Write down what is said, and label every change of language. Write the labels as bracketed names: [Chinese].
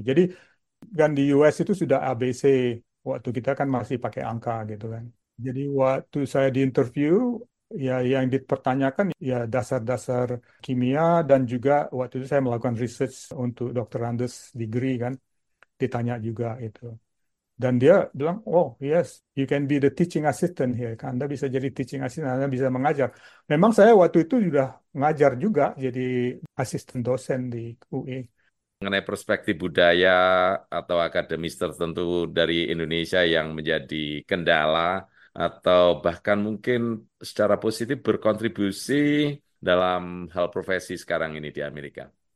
[Indonesian] Jadi kan di US itu sudah ABC, waktu kita kan masih pakai angka gitu kan. Jadi waktu saya di interview, ya yang dipertanyakan ya dasar-dasar kimia, dan juga waktu itu saya melakukan research untuk doctorandus degree kan, ditanya juga itu. Dan dia bilang, [English] oh yes, you can be the teaching assistant here. [Indonesian] Anda bisa jadi teaching assistant, Anda bisa mengajar. Memang saya waktu itu sudah ngajar juga jadi asisten dosen di UI. Mengenai perspektif budaya atau akademis tertentu dari Indonesia yang menjadi kendala atau bahkan mungkin secara positif berkontribusi dalam hal profesi sekarang ini di Amerika.